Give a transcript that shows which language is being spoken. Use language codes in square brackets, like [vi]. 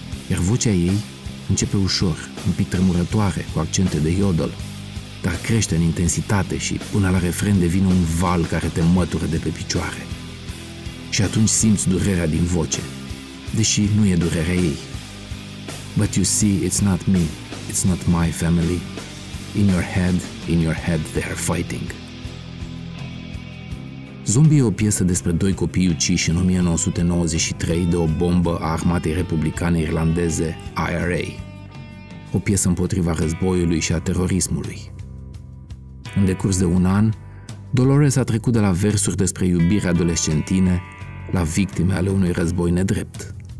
[ro] Iar vocea ei începe ușor, un pic tremurătoare, cu accente de yodel, dar crește în intensitate și până la refren devine un val care te mătură de pe picioare. Și atunci simți durerea din voce, deși nu e durerea ei. [en] But you see, it's not me, it's not my family. In your head, they are fighting. [ro] Zombie e o piesă despre doi copii uciși în 1993 de o bombă a armatei republicane irlandeze IRA. O piesă împotriva războiului și a terorismului. În decurs de un an, Dolores a trecut de la versuri despre iubire adolescentine la victime ale unui război nedrept.